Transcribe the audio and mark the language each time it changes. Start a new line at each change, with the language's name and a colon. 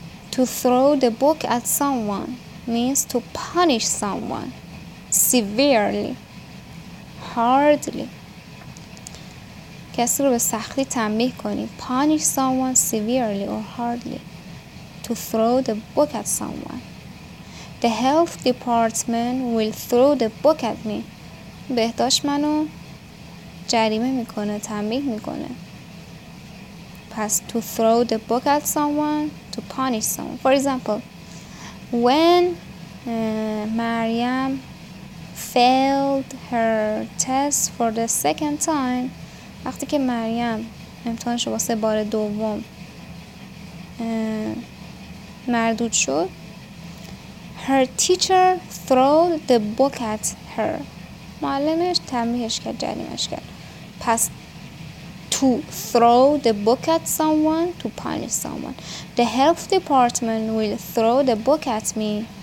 English: To throw the book at someone means to punish someone severely, hardly.
Persian: کسی رو به سختی تنبیه کنی.
English: Punish someone severely or hardly. To throw the book at someone. The health department will throw the book at me.
Persian: بهداشت منو جریمه میکنه، تنبیه میکنه.
English: پس to throw the book at someone, to punish someone. For example, when Maryam failed her test for the second time,
Persian: وقتی که مریم امتحانش رو واسه بار دوم مردود شد.
English: Her teacher throwed the book at her.
Persian: معلمش تنبیهش کرد، جریمش کرد.
English: پس to throw the book at someone, to punish someone. The health department will throw the book at me.